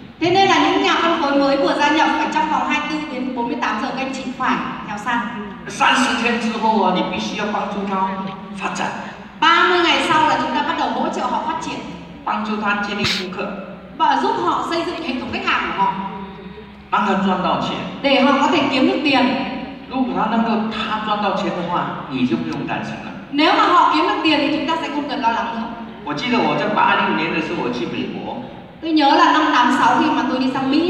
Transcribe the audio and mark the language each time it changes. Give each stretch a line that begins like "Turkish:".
Vietnamese: Thế nên là những nhà phân phối mới vừa gia nhập phải trong vòng 24 đến 48 giờ canh chỉ phải theo sang.
Chinese: 30天之后啊，你必须要帮助他发展。
Vietnamese: 30 ngày sau là chúng ta bắt đầu hỗ trợ họ phát triển.
Chinese: 帮助他建立顾客.
Vietnamese: Và giúp họ xây dựng hệ thống khách hàng của họ.
Chinese: 帮他赚到钱.
Vietnamese: Để họ có thể kiếm được tiền.
Chinese: 如果他赚到钱的话，你就不用担心了。
Vietnamese: Nếu mà họ kiếm được tiền thì chúng ta sẽ không cần lo lắng nữa.
Chinese: 我记得我在86年的时候我去美国。
Vietnamese: Tôi nhớ là năm 86 khi mà tôi đi sang Mỹ